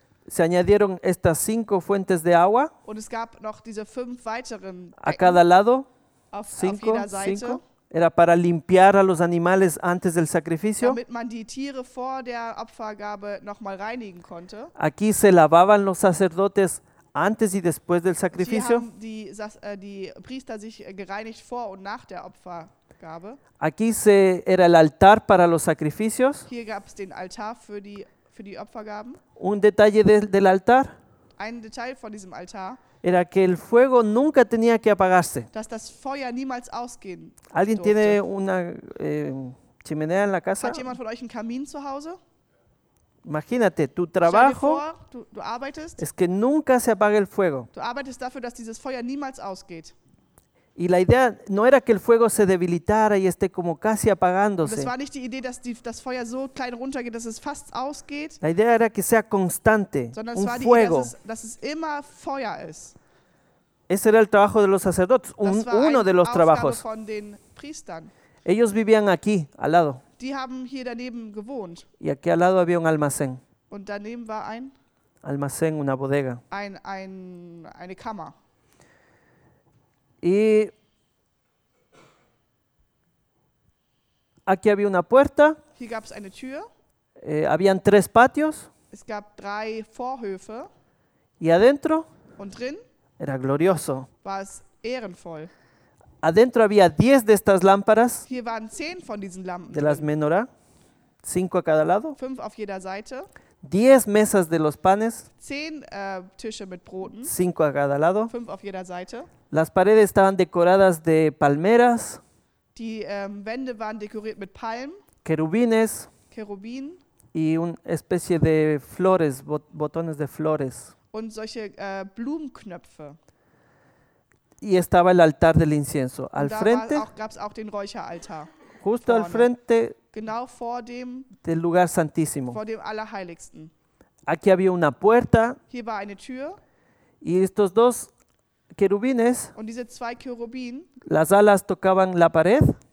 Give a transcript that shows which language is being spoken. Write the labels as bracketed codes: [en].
[es] Se añadieron estas cinco fuentes de agua. [de] Und es gab noch diese fünf weiteren Becken. [es] A cada lado. Cinco, [de] auf jeder Seite. [es] Cinco. Era para limpiar a los animales antes del sacrificio. [de] Damit man die Tiere vor der Opfergabe noch mal reinigen konnte. [es] Aquí se lavaban los sacerdotes antes y después del sacrificio. [de] Hier haben die Priester sich gereinigt vor und nach der Opfergabe. [es] Aquí se era el altar para los sacrificios. [de] Hier gab es den Altar für die Opfergaben. [es] Un detalle del altar. [de] Ein Detail von diesem Altar. [es] Era que el fuego nunca tenía que apagarse. [de] Dass das Feuer niemals ausgehen durfte. [es] ¿Alguien tiene una chimenea en la casa? [de] Hat jemand von euch einen Kamin zu Hause? [es] Imagínate, tu trabajo. [de] Stell dir vor, du arbeitest. [es] Es que nunca se apague el fuego. [de] Du arbeitest dafür, dass dieses Feuer niemals ausgeht. [es] Y la idea no era que el fuego se debilitara y esté como casi apagándose. [de] Es war nicht die Idee, dass das Feuer so klein runtergeht, dass es fast ausgeht. [es] La idea era que sea constante, [de] sondern [es] un [de] es war [es] fuego. [de] Die Idee, dass es immer Feuer ist. [es] Ese era el trabajo de los sacerdotes, uno de los trabajos. [de] Das war eine Aufgabe von den Priestern. [es] Ellos vivían aquí, al lado. [de] Die haben hier daneben gewohnt. [es] Y aquí al lado había un almacén. [de] Und daneben war ein [es] Almacén, una bodega. [de] Eine Kammer. [es] Y aquí había una puerta. [de] Hier gab es eine Tür. [es] Habían tres patios. [de] Es gab drei Vorhöfe. [es] Y adentro. [de] Und drin. [es] Era glorioso. [de] War es ehrenvoll. [es] Adentro había 10 de estas lámparas. [de] Hier waren 10 von diesen Lampen. [es] De las menorá. 5 a cada lado. [de] 5 auf jeder Seite. [es] 10 mesas de los panes. [de] 10 Tische mit Broten. [es] 5 a cada lado. [de] 5 auf jeder Seite. [es] Las paredes estaban decoradas de palmeras. [de] Die Wände waren dekoriert mit Palmen. [es] Querubines. [de] Cherubin. [es] Y una especie de flores, botones de flores. [de] Und solche Blumenknöpfe. [es] Y estaba el altar del incienso. Al frente. [de] Gab's auch den Räucheraltar. [es] Justo [de] vorne. [es] Al frente. [de] Genau vor dem. [es] Del lugar santísimo. [de] Vor dem Allerheiligsten. [es] Aquí había una puerta. [de] Hier war eine Tür. [es] Y estos dos querubines. [de] Und diese zwei Cherubin. [es] Las alas tocaban la pared.